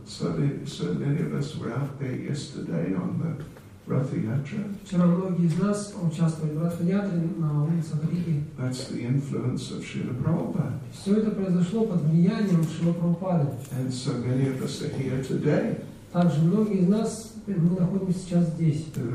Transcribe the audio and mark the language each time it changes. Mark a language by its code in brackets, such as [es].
[en] So many of us were out there yesterday on the Ratha Yatra. [ru] Вчера многие из нас участвовали в Ратха Ятре на улицах Риги. [en] That's the influence of Srila Prabhupada. [ru] Все это произошло под влиянием Шрила Прабхупады. [en] And so many of us are here today. [ru] Также многие из нас мы находимся сейчас здесь.